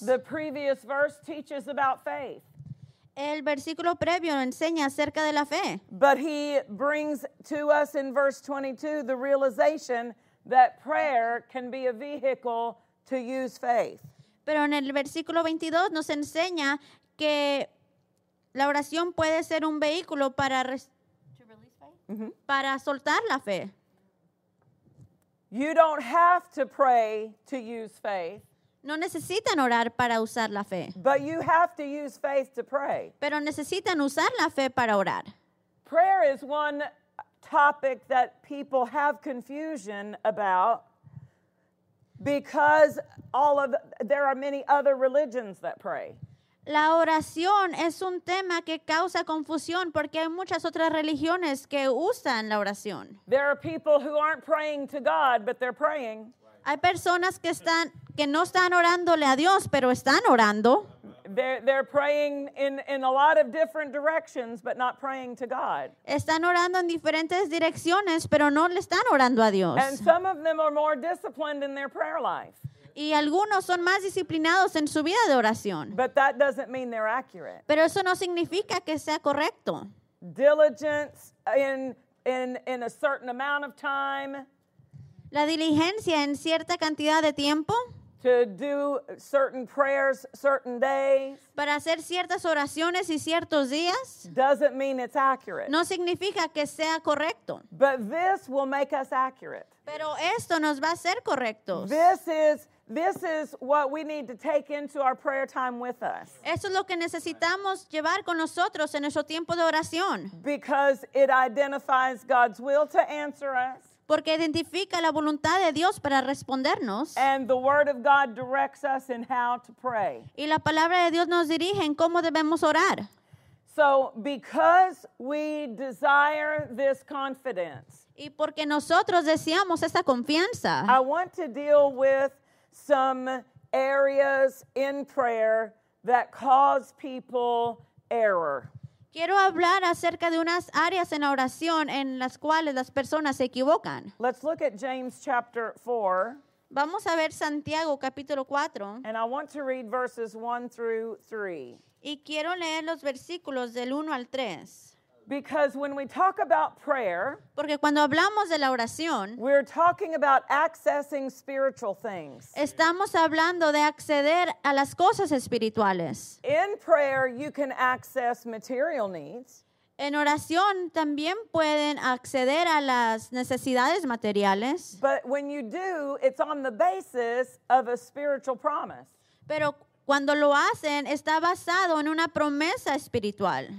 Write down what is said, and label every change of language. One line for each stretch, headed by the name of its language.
English: The previous verse teaches about faith.
Spanish: El versículo previo enseña acerca de la fe.
English: But he brings to us in verse 22 the realization that prayer can be a vehicle to use faith.
Spanish: Pero en el versículo 22 nos enseña que la oración puede ser un vehículo para para soltar la fe.
English: You don't have to pray to use faith.
Spanish: No necesitan orar para usar la fe.
English: But you have to use faith to pray.
Spanish: Pero necesitan usar la fe para orar.
English: Prayer is one topic that people have confusion about because there are many other religions that pray.
Spanish: La oración es un tema que causa confusión porque hay muchas otras religiones que usan la oración.
English: There are people who aren't praying to God, but they're praying.
Spanish: Hay personas que no están orándole a Dios, pero están orando.
English: They're praying in a lot of different directions, but not praying to God.
Spanish: Están orando en diferentes direcciones, pero no le están orando a Dios.
English: And some of them are more disciplined in their prayer life.
Spanish: Y algunos son más disciplinados en su vida de oración.
English: But that doesn't mean they're accurate.
Spanish: Pero eso no significa que sea correcto.
English: Diligence in a certain amount of time.
Spanish: La diligencia en cierta cantidad de tiempo.
English: To do certain prayers certain days.
Spanish: Para hacer ciertas oraciones y ciertos días.
English: Doesn't mean it's accurate.
Spanish: No significa que sea correcto.
English: But this will make us accurate.
Spanish: Pero esto nos va a hacer correctos.
English: This is what we need to take into our prayer time with us.
Spanish: Eso es lo que necesitamos llevar con nosotros en nuestro tiempo de oración.
English: Because it identifies God's will to answer us.
Spanish: Porque identifica la voluntad de Dios para respondernos.
English: And the word of God directs us in how to pray.
Spanish: Y la palabra de Dios nos dirige en cómo debemos orar.
English: So because we desire this confidence.
Spanish: Y porque nosotros deseamos esta confianza.
English: I want to deal with some areas in prayer that cause people error.
Spanish: Quiero hablar acerca de unas áreas en la oración en las cuales las personas se equivocan.
English: Let's look at James chapter 4.
Spanish: Vamos a ver Santiago capítulo 4.
English: And I want to read verses 1 through 3.
Spanish: Y quiero leer los versículos del 1 al 3.
English: Because when we talk about prayer,
Spanish: porque cuando hablamos de la oración,
English: we're talking about accessing spiritual things.
Spanish: Estamos hablando de acceder a las cosas espirituales.
English: In prayer, you can access material needs.
Spanish: En oración también pueden acceder a las necesidades materiales.
English: But when you do, it's on the basis of a spiritual promise.
Spanish: Pero cuando lo hacen, está basado en una promesa espiritual.